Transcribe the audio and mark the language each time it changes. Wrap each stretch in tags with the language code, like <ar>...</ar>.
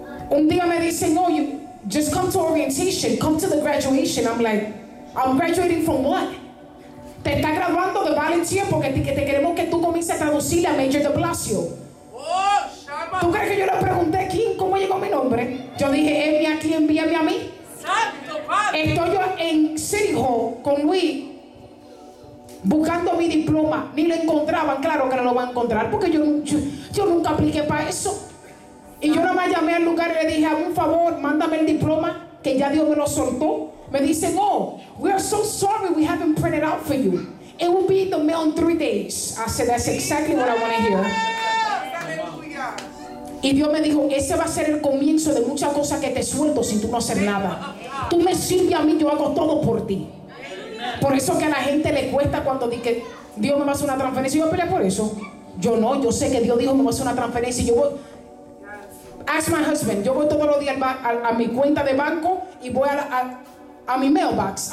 <es>Un día me dicen,</es> <en>oh, you just come to orientation, come to the graduation. I'm like, I'm graduating from what?</en> <es>Te está graduando de volunteer porque te queremos que tú comiences a traducirle a Major de Blasio. ¿Tú crees que yo le pregunté quién, cómo llegó mi nombre? Yo dije, envíame aquí, envíame a mí. Santo Padre. Estoy yo en City Hall con Luis buscando mi diploma, ni lo encontraban. Claro que no lo van a encontrar, porque yo nunca apliqué para eso. Y yo nada más llamé al lugar y le dije, un favor, mándame el diploma, que ya Dios me lo soltó. Me dicen,</es> <en>oh, we are so sorry, we haven't printed out for you. It will be in the mail in 3 days. I said, that's exactly what I want to hear.</en> <es>Y Dios me dijo, ese va a ser el comienzo de muchas cosas que te suelto si tú no haces nada. Tú me sirves a mí, yo hago todo por ti. Por eso que a la gente le cuesta cuando dice, Dios me va a hacer una transferencia. Yo peleé por eso. Yo no, yo sé que Dios dijo, me va a hacer una transferencia. Y yo voy,</es> <en>ask my husband,</en> <es>yo voy todos los días a mi cuenta de banco y voy a mi mailbox.</es>